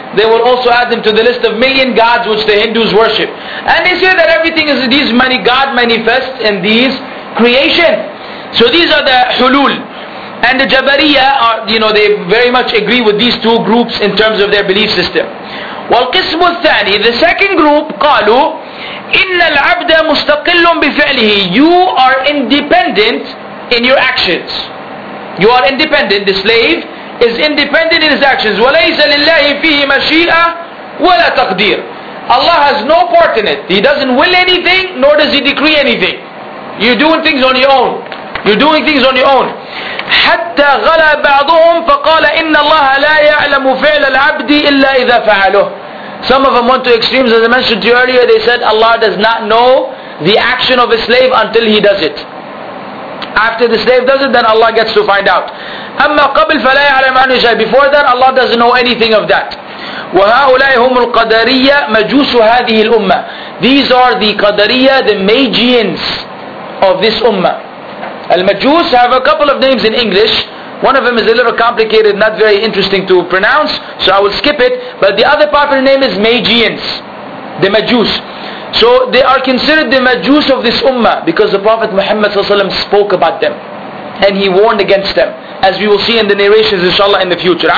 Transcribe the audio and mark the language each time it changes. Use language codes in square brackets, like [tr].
[en] They will also add them to the list of million gods which the Hindus worship. And they say that everything is, these many God manifests in these creation. So these are the Hulul. And the Jabariya are, you know, they very much agree with these two groups in terms of their belief system. [ar] والقسم الثاني, [en] the second group, [ar] قالوا إِنَّ الْعَبْدَ مُسْتَقِلٌ بِفِعْلِهِ. [en] You are independent in your actions. You are independent. The slave is independent in his actions. [ar] وَلَيْسَ لِلَّهِ فِيهِ مَشِيئَةٌ وَلَا تَقْدِيرٌ. [en] Allah has no part in it. He doesn't will anything, nor does He decree anything. You're doing things on your own. You're doing things on your own. [ar] حَتَّى غَلَى بَعْضُهُمْ فَقَالَ إِنَّ اللَّهَ لَا يَعْلَمُ فِعْلَ الْعَبْدِ إِلَّا إِذَا فَعَلُهُ. [en] Some of them went to extremes. As I mentioned to you earlier, they said Allah does not know the action of a slave until he does it. after the slave does it, then Allah gets to find out. [ar] أما قبل فلا يعلم عنه شيء. [en] Before that, Allah doesn't know anything of that. [ar] وهؤلاء هم القدرية مجوس هذه الأمة. [en] These are the Qadariyya, the Magians of this Ummah. Al-Majus have a couple of names in English. One of them is a little complicated, not very interesting to pronounce, so I will skip it. But the other popular name is Magians, the Majus. So they are considered the Majus of this Ummah because the Prophet Muhammad ﷺ spoke about them and he warned against them, as we will see in the narrations inshallah in the future.